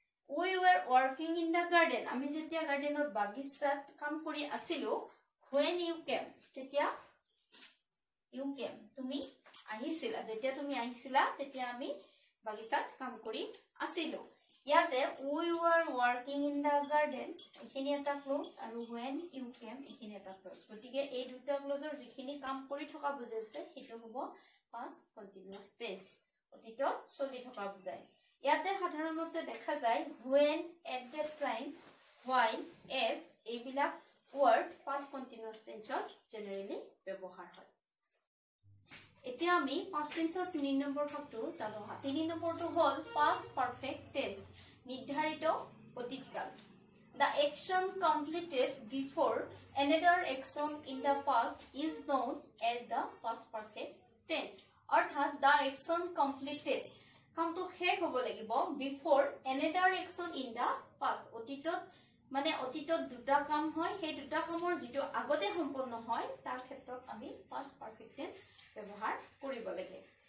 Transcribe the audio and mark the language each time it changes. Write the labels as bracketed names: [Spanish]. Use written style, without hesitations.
[English] we were working in the garden [Assamese] আমি যেতিয়া গাৰ্ডেনত বাগিচাত কাম কৰি আছিলো [English] when you came [Assamese] তেতিয়া ইউ কেম তুমি আহিছিলা যেতিয়া তুমি আহিছিলা তেতিয়া আমি বাগিচাত কাম কৰি আছিলো। ইয়াতে [English] we were working in the garden [Assamese] এইখিনি এটা ক্লজ আৰু [English] when you came [Assamese] এইখিনি এটা ক্লজ। গতিকে এই দুটা ক্লজৰ যিখিনি কাম কৰি থকা বুজাইছে সেইটো হ'ব past continuous tense অতীতত চলি থকা বুজায়। ইয়াতে সাধাৰণতে দেখা যায় when, at that time, while, as এইবিলাক word past continuous tenseত generally ব্যৱহাৰ হয়। এতিয়া আমি past tenseৰ তিনি নম্বৰ ভাগটো জানো আহা। তিনি নম্বৰটো হ'ল past perfect tense নিৰ্ধাৰিত অতীত কাল। [English] The action completed before another action in the past is known as the past perfect tense। [Assamese] অৰ্থাৎ [English] the action completed [Assamese] কামটো শেষ হ'ব লাগিব [English] Before another action in the past. [Assamese] অতীতত মানে অতীতত দুটা কাম হয় সেই দুটা কামৰ যিটো আগতে সম্পন্ন হয় তাৰ ক্ষেত্ৰত আমি পাষ্ট পাৰ্ফেক্ট টেন্স ব্যৱহাৰ কৰিব লাগে।